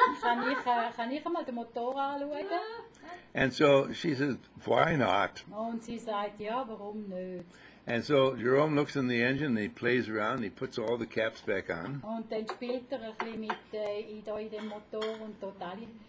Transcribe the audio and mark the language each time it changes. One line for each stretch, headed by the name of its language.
German: kann ich mal den Motor anschauen?
English: And so she says, why not?
German: Und sie sagt, ja, warum nicht?
English: And so Jerome looks in the engine, and he plays around, and he puts all the caps back on.
German: Und dann spielt er ein bisschen mit in dem Motor und tut alle